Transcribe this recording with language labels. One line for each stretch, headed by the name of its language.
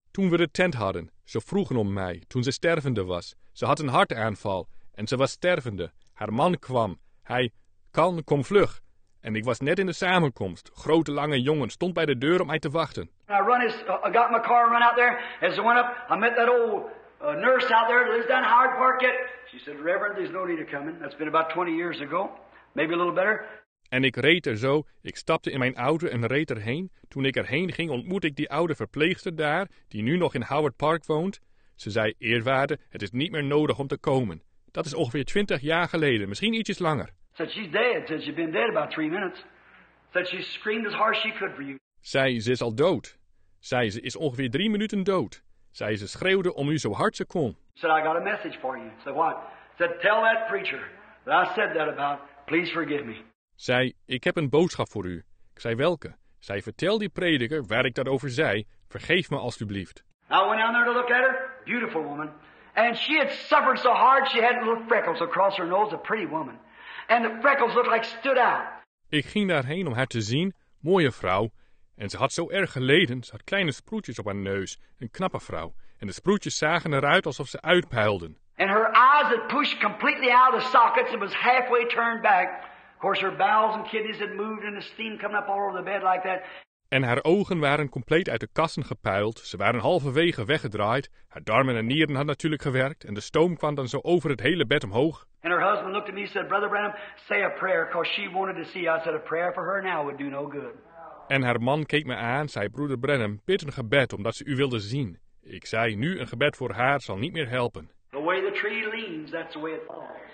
Dutch: Toen we de tent hadden, ze vroegen om mij, toen ze stervende was. Ze had een hartaanval. En ze was stervende. Haar man kwam. Hij, kan, kom vlug. En ik was net in de samenkomst. Grote, lange jongen stond bij de deur om mij te wachten.
English: I got my car and run out there. As I went up, I met that old nurse out there that lives down Hyde Park yet. She said, Reverend, there's no need of coming. That's been about 20 years ago. Maybe a little better.
Dutch: En ik reed er zo. Ik stapte in mijn auto en reed erheen. Toen ik erheen ging, ontmoette ik die oude verpleegster daar, die nu nog in Howard Park woont. Ze zei, eerwaarde, het is niet meer nodig om te komen. Dat is ongeveer 20 jaar geleden, misschien ietsjes langer.
English: Said she's dead. Said she's been dead about 3 minutes. Said she screamed as hard as she could for you.
Dutch: Zei ze is al dood. Zei ze is ongeveer 3 minuten dood. Zei ze schreeuwde om u zo hard ze kon.
English: Said I got a message for you. Said what? Said tell that preacher that I said that about. Please forgive me.
Dutch: Zei ik heb een boodschap voor u. Ik zei welke? Zei vertel die prediker waar ik dat over zei. Vergeef me alstublieft.
English: I went down there to look at her. Beautiful woman. And she had suffered so hard she had little freckles across her nose, a pretty woman. And the freckles looked like stood out.
Dutch: Ik ging daarheen om haar te zien, mooie vrouw. En ze had zo erg geleden, ze had kleine sproetjes op haar neus, een knappe vrouw. En de sproetjes zagen eruit alsof ze uitpuilden.
English: And her eyes had pushed completely out of the sockets and was halfway turned back. Of course her bowels and kidneys had moved and the steam coming up all over the bed like that.
Dutch: En haar ogen waren compleet uit de kassen gepuild, ze waren halverwege weggedraaid, haar darmen en nieren hadden natuurlijk gewerkt en de stoom kwam dan zo over het hele bed omhoog.
English: And her husband looked at me and said, Brother Branham, say a prayer, because she wanted to see us. I said, a prayer for her now would do no good.
Dutch: En haar man keek me aan, zei broeder Branham, bid een gebed omdat ze u wilde zien. Ik zei, nu een gebed voor haar zal niet meer helpen.
English: The way the tree leans, that's the way it falls.